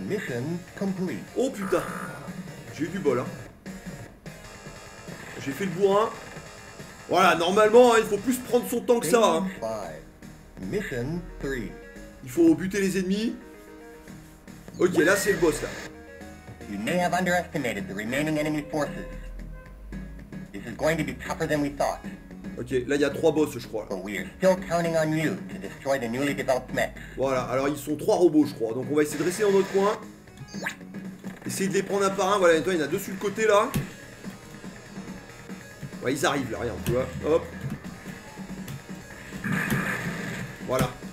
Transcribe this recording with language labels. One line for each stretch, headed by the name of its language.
English: Mission complete.
French: Oh putain. J'ai eu du bol, hein. J'ai fait le bourrin. Voilà, normalement, hein, il faut plus prendre son temps que ça. Hein. Mission 3. Il faut buter les ennemis. Ok, là, c'est le boss, là.
English: You may have underestimated the remaining enemy forces. This is going to be tougher than we thought.
French: Ok, là, il y a trois boss, je crois.
English: But we are still counting on you to destroy the newly developed mechs.
French: Voilà, alors, ils sont trois robots, je crois. Donc, on va essayer de rester dans notre coin. Essayer de les prendre un par un. Voilà, il y en a deux sur le côté, là. Ouais, ils arrivent là, regarde, tu vois, hop. Voilà.